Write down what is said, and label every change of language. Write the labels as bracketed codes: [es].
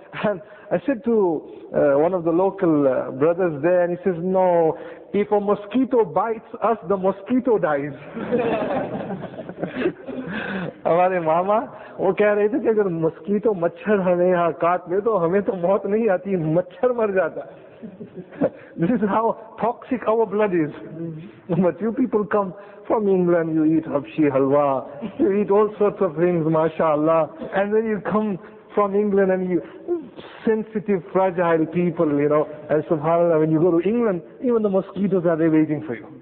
[en] And I said to one of the local brothers there, and he says, no, if a mosquito bites us, the mosquito dies. [hi] हमारे मामा वो कह रहे थे कि अगर mosquito मच्छर हमें यहाँ काट ले तो हमें तो मौत नहीं आती, मच्छर मर जाता. [en] This is how toxic our blood is. But you people come from England, you eat habshi halwa, you eat all sorts of things, mashallah, and then you come from England and you sensitive, fragile people, you know, and subhanallah, when you go to England, even the mosquitoes are there waiting for you.